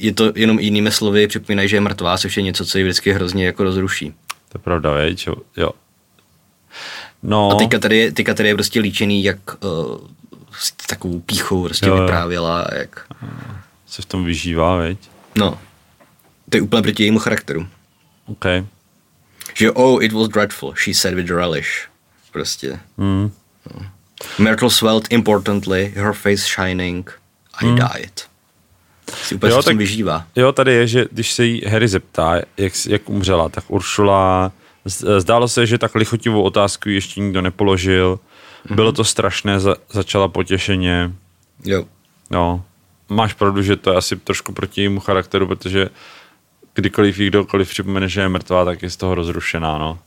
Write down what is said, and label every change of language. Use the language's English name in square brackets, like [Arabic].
[Czech] je to jenom jinými slovy, připomínají, že je mrtvá, což je něco, co ji vždycky hrozně jako rozruší. To je pravda, veď? Jo. No. A teďka tady je prostě líčený, jak s takovou píchou prostě jo. Vyprávěla. Jak... Se v tom vyžívá, veď? No. To je úplně proti jejímu charakteru. OK. [English] Že oh, it was dreadful, she said with relish. [Czech] Prostě. No. [English] Myrtle swelled importantly, her face shining, I died. [Czech] Si úplně jo, se v tom vyžívá. Jo, tady je, že když se jí Harry zeptá, jak umřela, tak Uršula... Zdálo se, že tak lichotivou otázku ještě nikdo nepoložil. Bylo to strašné, začala potěšeně. Jo. No. Máš pravdu, že to je asi trošku proti jejímu charakteru, protože kdykoliv jí kdokoliv připomene, že je mrtvá, tak je z toho rozrušená, no.